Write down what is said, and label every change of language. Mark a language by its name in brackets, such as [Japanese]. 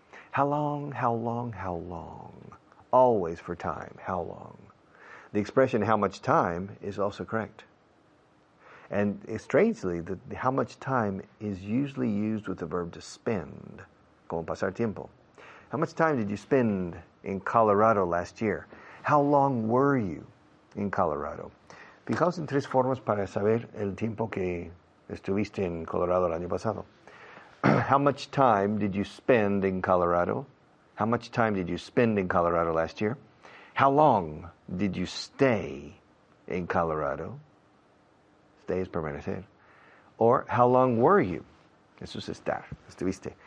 [English] How long? Always for time. How long? The expression how much time is also correct. And strangely, how much time is usually used with the verb to spend, [Spanish] como pasar tiempo. [English] How much time did you spend in Colorado last year? How long were you in Colorado? [Spanish] Fijaos en tres formas para saber el tiempo que estuviste en Colorado el año pasado. [English] How much time did you spend in Colorado? How much time did you spend in Colorado last year? How long did you stay in Colorado? Stay [Spanish] es permanecer. [English] Or how long were you? [Spanish] Eso es estar, estuviste.